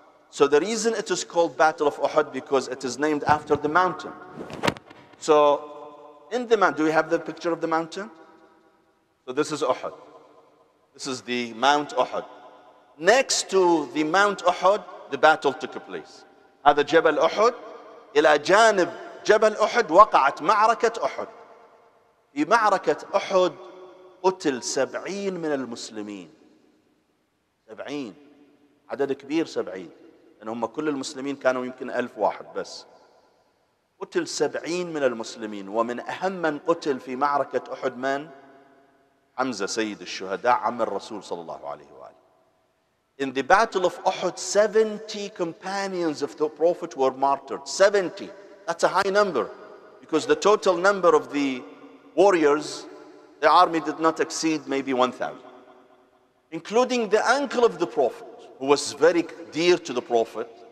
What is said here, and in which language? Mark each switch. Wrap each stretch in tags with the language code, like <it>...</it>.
<en>So the reason it is called Battle of Uhud, because it is named after the mountain. So in the mountain, do we have the picture of the mountain? So this is Uhud. This is the Mount Uhud. Next to the Mount Uhud, the battle took place.</en> <ar>هذا جبل أحد إلى جانب جبل أحد وقعت معركة أحد. في معركة أحد قتل 70 من المسلمين. 70 عدد كبير 70. لأن هم كل المسلمين كانوا يمكن 1,000 بس. قتل 70 من المسلمين ومن أهم من قتل في معركة أحد من؟ حمزة سيد الشهداء عم الرسول صلى الله عليه وسلم.</ar> <en>In the Battle of Uhud, 70 companions of the Prophet were martyred. 70. That's a high number. Because the total number of the warriors, the army did not exceed maybe 1,000. Including the uncle of the Prophet, who was very dear to the Prophet.</en>